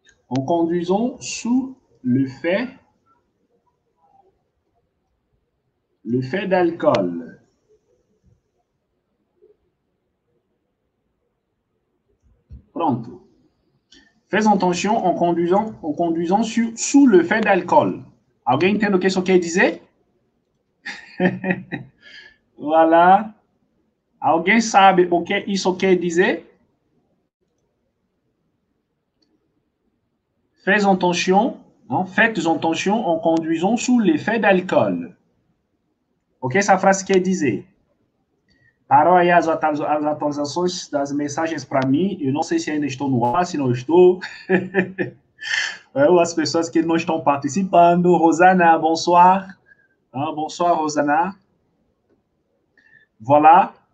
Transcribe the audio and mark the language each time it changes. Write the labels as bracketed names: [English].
[French] En conduisant sous l'effet d'alcool. [Portuguese] Ok? Pronto. [French] Fais attention en conduisant sous le fait d'alcool. [Portuguese] Alguém entendeu o que isso quer dizer? [French] Voilà. [Portuguese] Alguém sabe o que isso quer dizer? [French] Fais attention, hein? Faites attention en conduisant sous l'effet d'alcool. [Portuguese] Ok, essa frase quer dizer. Parou aí as atualizações das mensagens para mim. Eu não sei se ainda estou no ar, se não estou. As pessoas que não estão participando. [French] Rosana, bonsoir. Bonsoir, Rosana. Voilà.